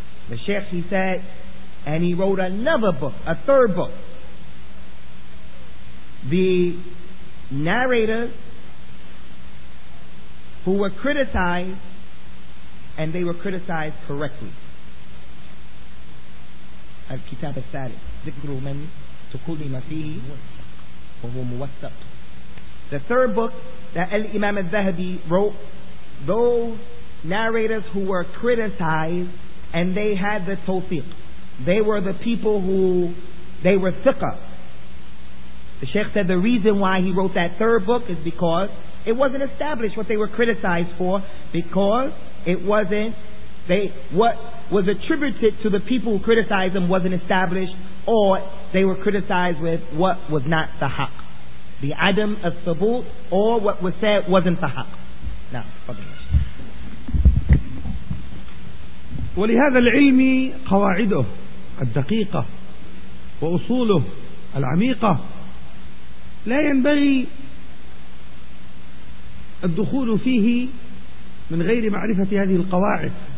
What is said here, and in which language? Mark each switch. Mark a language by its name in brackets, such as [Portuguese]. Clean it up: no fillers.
[English] The sheikh, he said, and he wrote another book, a third book. The narrators who were criticized, and they were criticized correctly. [Arabic] الكتاب الثالث ذكر من تقول ما فيه وهو موثق. [English] The third book that Al-Imam al-Zahabi wrote, those narrators who were criticized and they had the tawfiq, they were the people who, they were thiqa. The sheikh said the reason why he wrote that third book is because it wasn't established what they were criticized for, because it wasn't, they, what was attributed to the people who criticized them wasn't established, or they were criticized with what was not the haq, the adam of thubut, or what was said wasn't the haq. Now, [Arabic] ولهذا العلم قواعده الدقيقة وأصوله العميقة لا ينبغي الدخول فيه من غير معرفة هذه القواعد.